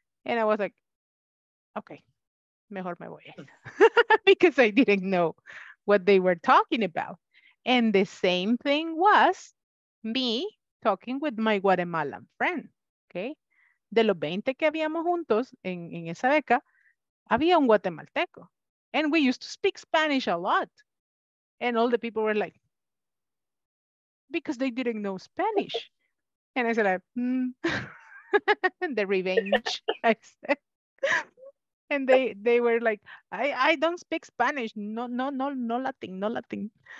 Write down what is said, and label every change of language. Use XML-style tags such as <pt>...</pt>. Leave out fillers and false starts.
<en>And I was like, okay,</en> <es>mejor me voy.</es> <en>Because I didn't know what they were talking about. And the same thing was me talking with my Guatemalan friend. Okay.</en> <es>De los 20 que habíamos juntos en esa beca, había un guatemalteco.</es> <en>And we used to speak Spanish a lot. And all the people were like, because they didn't know Spanish. And I said, the revenge, I said. And they were like, I don't speak Spanish. No Latin, no Latin.</en>